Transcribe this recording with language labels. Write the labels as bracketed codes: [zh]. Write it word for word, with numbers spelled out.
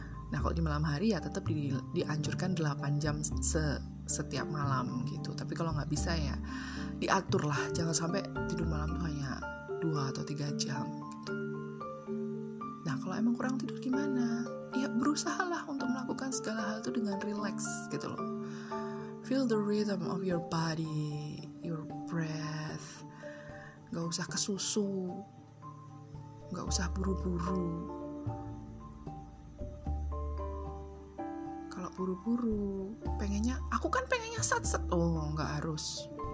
[id] Nah, kalau di malam hari ya tetap di, dianjurkan delapan jam se setiap malam gitu. Tapi kalau nggak bisa ya diatur lah, jangan sampai tidur malam tuh hanya dua atau tiga jam gitu. Nah, kalau emang kurang tidur gimana? Ya berusahalah untuk melakukan segala hal itu dengan relax gitu loh. [en] Feel the rhythm of your body, your breath. [id] Nggak usah kesusu, nggak usah buru-buru. Buru-buru, pengennya, aku kan pengennya sat-set, oh nggak harus.